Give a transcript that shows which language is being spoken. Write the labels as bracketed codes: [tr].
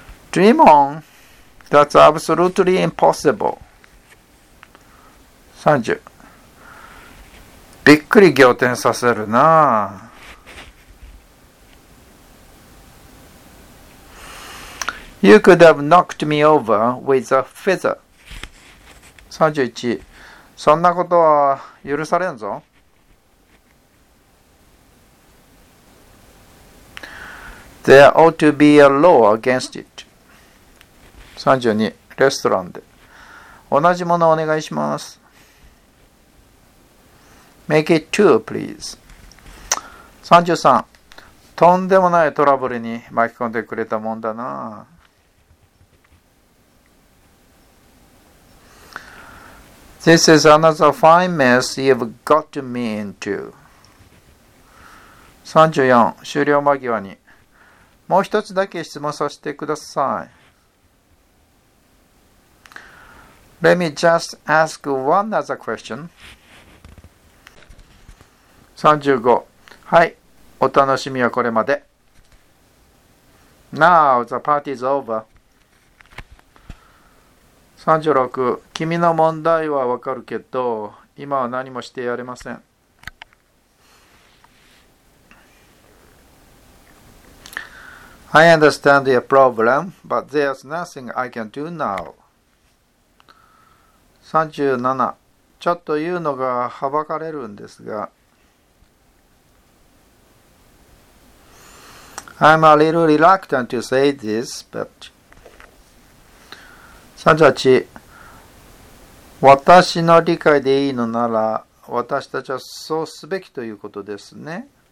[en] Dream on. That's absolutely impossible. 30. [ja] びっくり仰天させるな。 [en] You could have knocked me over with a feather. 31. [ja] そんなことは許されんぞ。 [en] There ought to be a law against it. [ja] 32. レストランで。同じものをお願いします。 [en] Make it two, please. 33. [ja] とんでもないトラブルに巻き込んでくれたもんだな。 [en] This is another fine mess you've got me into. [ja] 34. 終了間際に。もう一つだけ質問させてください。 [en] Let me just ask one other question. [ja] 35. はい。お楽しみはこれまで。 [en] Now the party's over. 36. [ja] 君の問題はわかるけど、今は何もしてやれません。 [en] I understand your problem, but there's nothing I can do now. 37. [ja] ちょっと言うのがはばかれるんですが。 [en] I'm a little reluctant to say this, but... 38. [ja] 私の理解でいいのなら、私たちはそうすべきということですね。